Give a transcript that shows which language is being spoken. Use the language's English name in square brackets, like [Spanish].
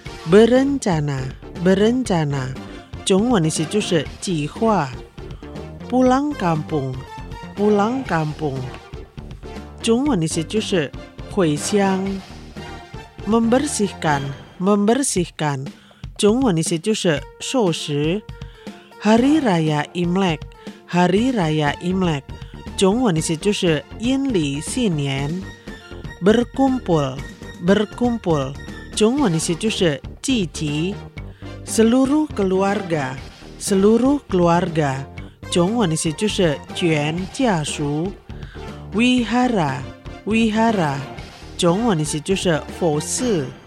[Indonesian] Berencana, berencana, [Chinese] 中文意思就是计划。 [Indonesian] Pulang kampung, pulang kampung, [Chinese] 中文意思就是回乡。 [Indonesian] Membersihkan, membersihkan, [Chinese] 中文意思就是收拾。 [Indonesian] Hari Raya Imlek, Hari Raya Imlek, [Chinese] 中文意思就是阴历新年。 [Indonesian] Berkumpul, berkumpul, [Chinese] 中文意思就是集集。 [Indonesian] Seluruh keluarga, seluruh keluarga, [Chinese] 中文意思就是全家属。 [Indonesian] Wihara, wihara, [Chinese] 中文意思就是佛寺。